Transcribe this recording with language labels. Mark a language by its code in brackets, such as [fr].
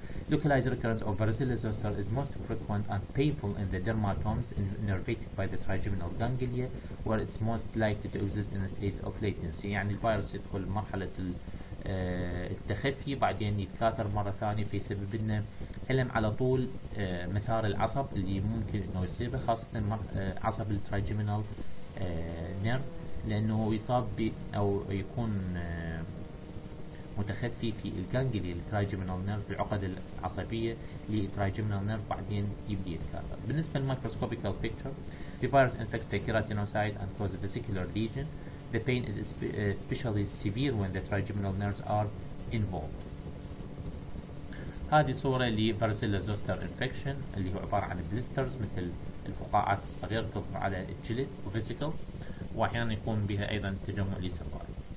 [en] Localized recurrence of varicella zoster is most frequent and painful in the dermatomes innervated by the trigeminal ganglia, where it's most likely to exist in a state of latency. [ar] يعني الفيروس يدخل مرحلة التخفي بعدين يتكاثر مرة ثانية فيسبب لنا ألم على طول مسار العصب اللي ممكن إنه يصيبه، خاصة عصب الترايجيمينال نيرف، لأنه هو يصاب ب أو يكون متخفي في الجانجلي الترايجيمينال نيرف في العقد العصبية للترايجيمينال نيرف بعدين يبدأ يتكاثر. بالنسبة للميكروسكوبيكال بيكتشر، [en] the virus infects the keratinocyte and causes vesicular lesion. The pain is especially severe when the trigeminal nerves are involved. [ar] هذه صورة لفاريسيلا زوستر انفكشن اللي هو عبارة عن بليسترز مثل الفقاعات الصغيرة تظهر على الجلد وفيسيكلز، وأحيانا يكون بها أيضا تجمع لسوائل.